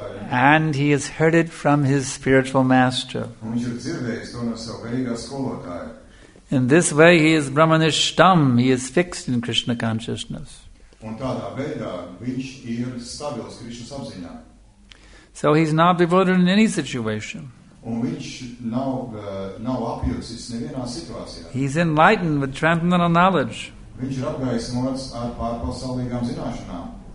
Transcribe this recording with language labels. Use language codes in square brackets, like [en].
[en] And he has heard it from his spiritual master. In this way he is Brahmanishtam, he is fixed in Krishna consciousness. So he's not bewildered in any situation. [lv] un viņš nav, nav apjūcis nevienā situācijā. [en] He's enlightened with transcendental knowledge. [lv] Viņš ir apgaismots ar pārpasaulīgām zināšanām.